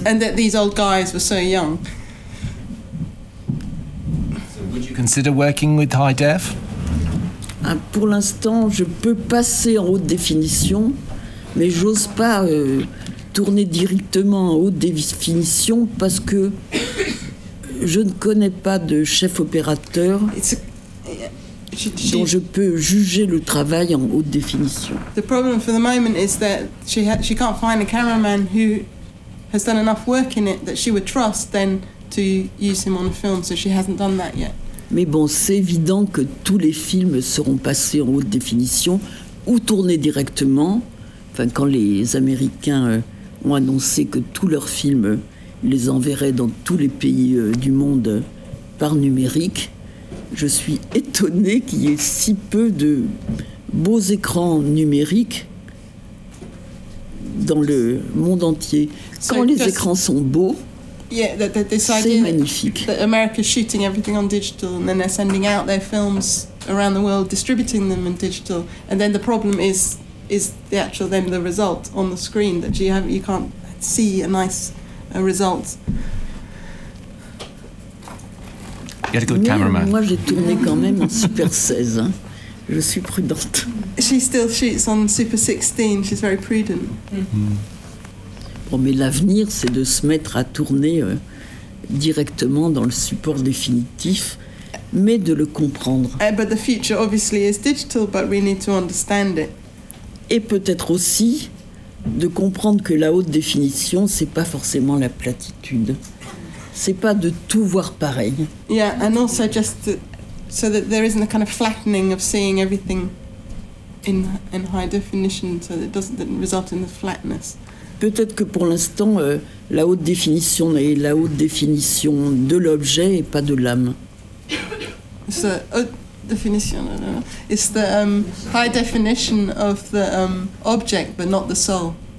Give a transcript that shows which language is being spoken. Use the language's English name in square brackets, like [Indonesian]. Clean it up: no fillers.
[English] And that these old guys were so young. So would you consider working with high def? [French] Pour l'instant, je peux passer en haute définition, mais j'ose pas tourner directement en haute définition parce que je ne connais pas de chef opérateur dont je peux juger le travail en haute définition. [English] The problem for the moment is that she can't find a cameraman who has done enough work in it that she would trust then to use him on a film, so she hasn't done that yet. [French] Mais bon, c'est évident que tous les films seront passés en haute définition ou tournés directement, enfin quand les Américains ont annoncé que tous leurs films les enverraient dans tous les pays du monde par numérique. Je suis étonnée qu'il y ait si peu de beaux écrans numériques dans le monde entier. Quand les écrans sont beaux, c'est magnifique. [English] America shooting everything on digital and then they're sending out their films around the world, distributing them in digital, and then the problem is the actual then the result on the screen that you can't see a nice result. You had a good cameraman. [French] Moi, j'ai tourné quand même en Super 16. Hein. Je suis prudente. [English] She still shoots on Super 16. She's very prudent. Mm. [French] Bon, mais l'avenir, c'est de se mettre à tourner directement dans le support définitif. Mais de le comprendre. [English] But the future obviously is digital, but we need to understand it. [French] Et peut-être aussi de comprendre que la haute définition, c'est pas forcément la platitude. C'est pas de tout voir pareil. [English] Yeah, and also just so that there isn't a kind of flattening of seeing everything in high definition, so that it doesn't result in the flatness. [French] Peut-être que pour l'instant, la haute définition est la haute définition de l'objet et pas de l'âme. [English] Definition, it's the high definition of the object, but not the soul.